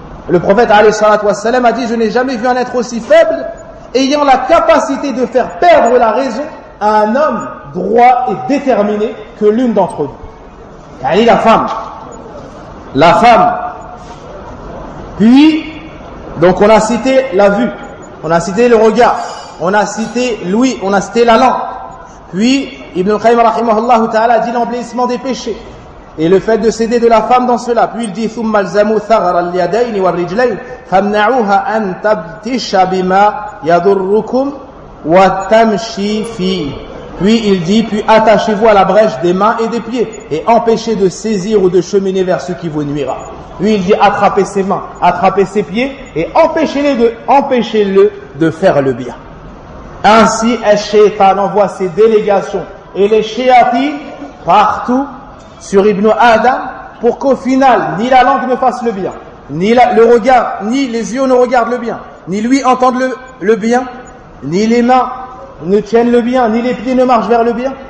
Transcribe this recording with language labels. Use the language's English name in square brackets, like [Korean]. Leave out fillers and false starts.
[French] Le prophète alayhi salatu wa sallam a dit, je n'ai jamais vu un être aussi faible ayant la capacité de faire perdre la raison à un homme droit et déterminé que l'une d'entre vous. Yani la femme. La femme. Puis, donc on a cité la vue, on a cité le regard, on a cité l'ouïe, on a cité la langue. Puis, Ibn al-Qayyim rahimahullah ta'ala dit l'emblissement des péchés et le fait de céder de la femme dans cela. Puis il dit, [Arabic] ثُمَّ الْزَمُوا ثَغَرَ الْيَدَيْنِ وَالْرِجْلَيْنِ فَمْنَعُوهَا أَن تَبْتِشَ بِمَا يَضُرُّكُمْ وَتَمْشِي فِي. [French] Puis il dit, puis attachez-vous à la brèche des mains et des pieds et empêchez de saisir ou de cheminer vers ce qui vous nuira. Lui, il dit, attrapez ses mains, attrapez ses pieds et empêchez-le de faire le bien. Ainsi, Shaitan envoie ses délégations et les shayatines partout sur Ibn Adam pour qu'au final, ni la langue ne fasse le bien, ni le regard, ni les yeux ne regardent le bien, ni lui entende le bien, ni les mains ne tiennent le bien, ni les pieds ne marchent vers le bien.